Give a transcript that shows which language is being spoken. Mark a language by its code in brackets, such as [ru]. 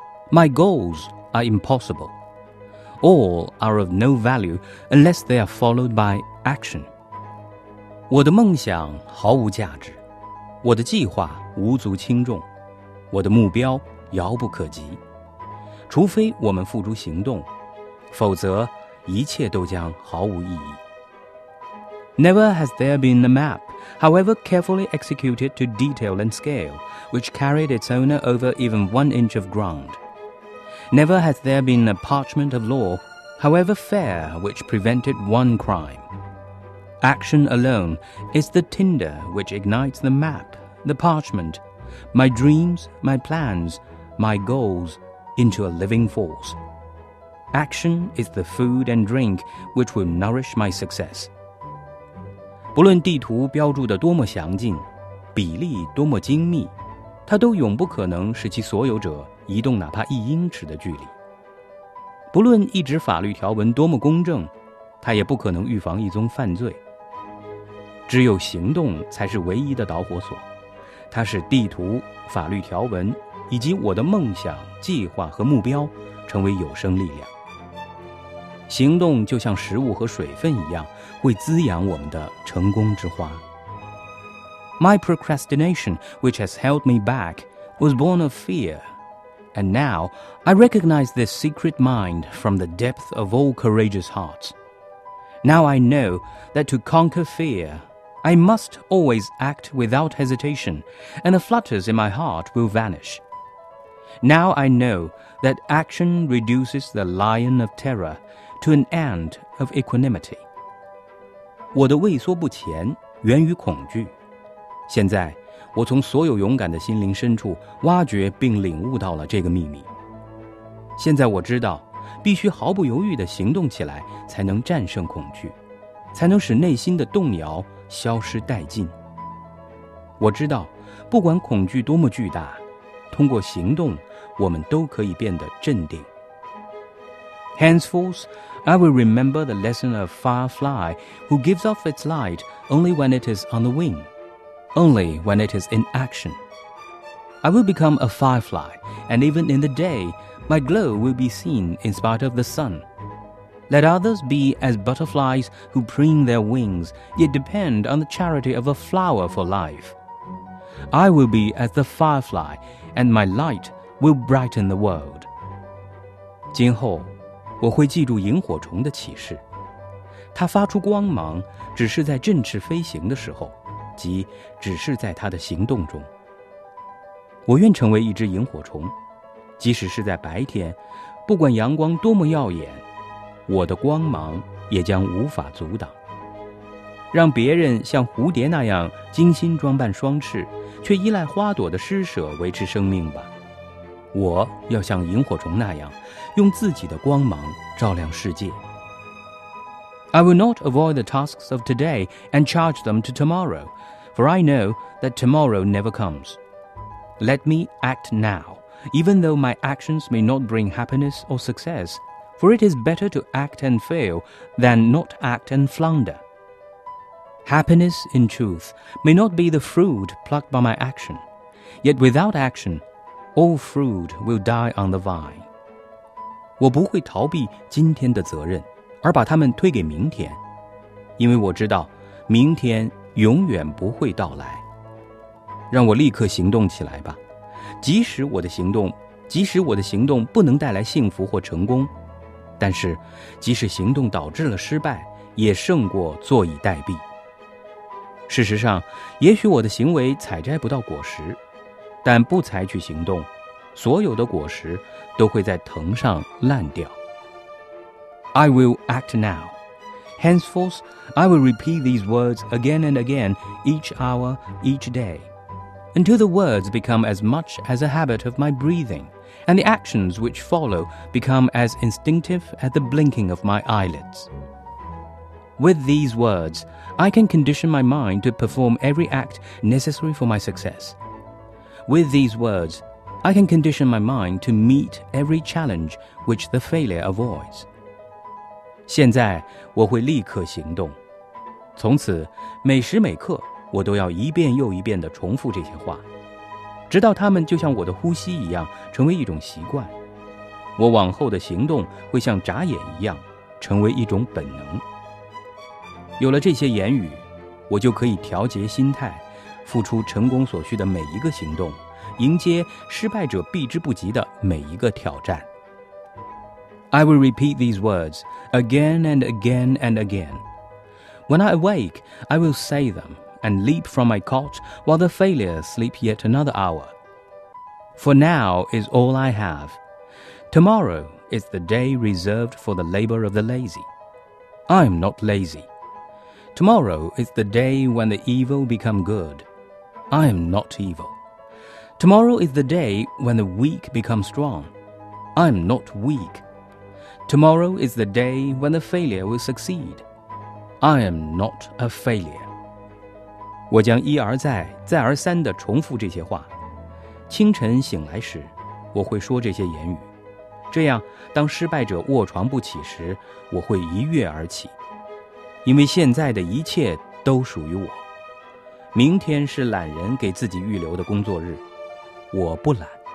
[en] My goals are impossible. All are of no value unless they are followed by action. [zh] 我的梦想毫无价值，我的计划无足轻重，我的目标遥不可及。除非我们付诸行动，否则一切都将毫无意义。 [en] Never has there been a map, however carefully executed to detail and scale, which carried its owner over even 1 inch of ground. Never has there been a parchment of law, however fair, which prevented one crime. Action alone is the tinder which ignites the map, the parchment, my dreams, my plans, my goals, into a living force. Action is the food and drink which will nourish my success. [zh] 不论地图标注得多么详尽，比例多么精密，它都永不可能使其所有者移动哪怕一英尺的距离。不论一纸法律条文多么公正，它也不可能预防一宗犯罪。只有行动才是唯一的导火索，它使地图、法律条文以及我的梦想、计划和目标成为有生力量。行动就像食物和水分一样，会滋养我们的成功之花。 [en] My procrastination, which has held me back, was born of fear. And now, I recognize this secret mind from the depth of all courageous hearts. Now I know that to conquer fear, I must always act without hesitation, and the flutters in my heart will vanish. Now I know that action reduces the lion of terror to an ant of equanimity. [zh] 我的畏缩不前源于恐惧，现在我从所有勇敢的心灵深处挖掘并领悟到了这个秘密。现在我知道必须毫不犹豫地行动起来，才能战胜恐惧，才能使内心的动摇消失殆尽。我知道不管恐惧多么巨大，通过行动我们都可以变得镇定。 [en] Henceforth, I will remember the lesson of firefly who gives off its light only when it is on the wing, only when it is in action. I will become a firefly, and even in the day, my glow will be seen in spite of the sun. Let others be as butterflies who preen their wings, yet depend on the charity of a flower for life. I will be as the firefly, and my light will brighten the world. [zh] 今后我会记住萤火虫的启示，它发出光芒只是在振翅飞行的时候，即只是在它的行动中。我愿成为一只萤火虫，即使是在白天，不管阳光多么耀眼，我的光芒也将无法阻挡。让别人像蝴蝶那样精心装扮双翅，却依赖花朵的施舍维持生命吧。我要像萤火虫那样，用自己的光芒照亮世界。 [en] I will not avoid the tasks of today and charge them to tomorrow, for I know that tomorrow never comes. Let me act now, even though my actions may not bring happiness or success, for it is better to act and fail than not act and flounder. Happiness, in truth, may not be the fruit plucked by my action, yet without action,All fruit will die on the vine. [zh] 我不会逃避今天的责任，而把它们推给明天，因为我知道明天永远不会到来。让我立刻行动起来吧，即使我的行动不能带来幸福或成功，但是即使行动导致了失败，也胜过坐以待毙。事实上，也许我的行为采摘不到果实，但不采取行动，所有的果实都会在藤上烂掉。 [en] I will act now. Henceforth, I will repeat these words again and again, each hour, each day, until the words become as much as a habit of my breathing, and the actions which follow become as instinctive as the blinking of my eyelids. With these words, I can condition my mind to perform every act necessary for my success. With these words, I can condition my mind to meet every challenge which the failure avoids. [zh] 现在我会立刻行动。从此，每时每刻，我都要一遍又一遍地重复这些话，直到它们就像我的呼吸一样成为一种习惯。我往后的行动会像眨眼一样成为一种本能。有了这些言语，我就可以调节心态，付出成功所需的每一个行动，迎接失败者避之不及的每一个挑战。 [en] I will repeat these words again and again and again. When I awake, I will say them and leap from my cot while the failure sleep yet another hour. For now is all I have. Tomorrow is the day reserved for the labor of the lazy. I am not lazy. Tomorrow is the day when the evil become good. I am not evil. Tomorrow is the day when the weak become strong. I am not weak. Tomorrow is the day when the failure will succeed. I am not a failure. [zh] 我将一而再、再而三地重复这些话。清晨醒来时，我会说这些言语。这样，当失败者卧床不起时，我会一跃而起。因为现在的一切都属于我。明天是懒人给自己预留的工作日，我不懒。